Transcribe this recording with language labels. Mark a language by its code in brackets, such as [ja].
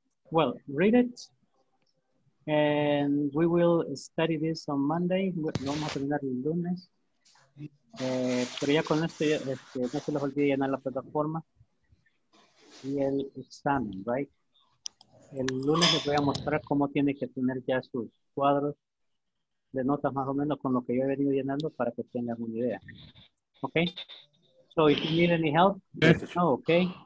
[en] Well, read it, and we will study this on Monday. [es] Vamos a terminar el lunes. Pero ya con esto, no se les olvide llenar la plataforma y el examen, right? El lunes les voy a mostrar cómo tiene que tener ya sus cuadros de notas, más o menos, con lo que yo he venido llenando para que tengan una idea. [en] Okay? So, if you need any help, let us know, okay?